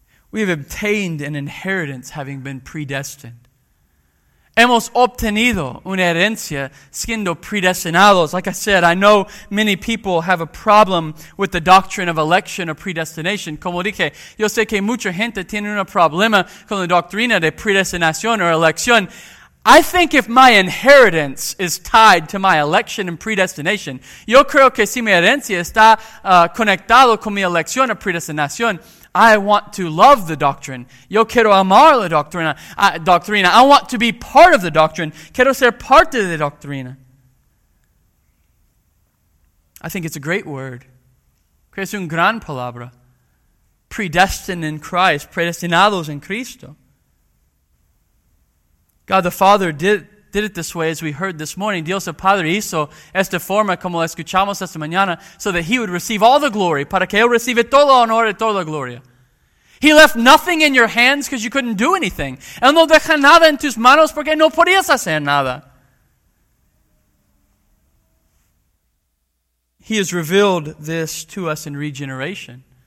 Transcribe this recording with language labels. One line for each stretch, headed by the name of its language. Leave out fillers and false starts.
English: We have obtained an inheritance having been predestined.
Spanish: Hemos obtenido una herencia siendo predestinados.
English: Like I said, I know many people have a problem with the doctrine of election or predestination.
Spanish: Como dije, yo sé que mucha gente tiene un problema con la doctrina de predestinación or elección.
English: I think if my inheritance is tied to my election and predestination,
Spanish: yo creo que si mi herencia está conectado con mi elección o predestinación,
English: I want to love the doctrine.
Spanish: Yo quiero amar la doctrina.
English: I want to be part of the doctrine.
Spanish: Quiero ser parte de la doctrina.
English: I think it's a great word.
Spanish: Creo es un gran palabra.
English: Predestined in Christ.
Spanish: Predestinados en Cristo.
English: God the Father did did it this way, as we heard this morning.
Spanish: Dios el Padre hizo esta forma como escuchamos esta mañana,
English: so that he would receive all the glory,
Spanish: para que él reciba todo el honor y toda la gloria.
English: He left nothing in your hands because you couldn't do anything.
Spanish: Él no deja nada en tus manos porque no podías hacer nada.
English: He has revealed this to us in regeneration.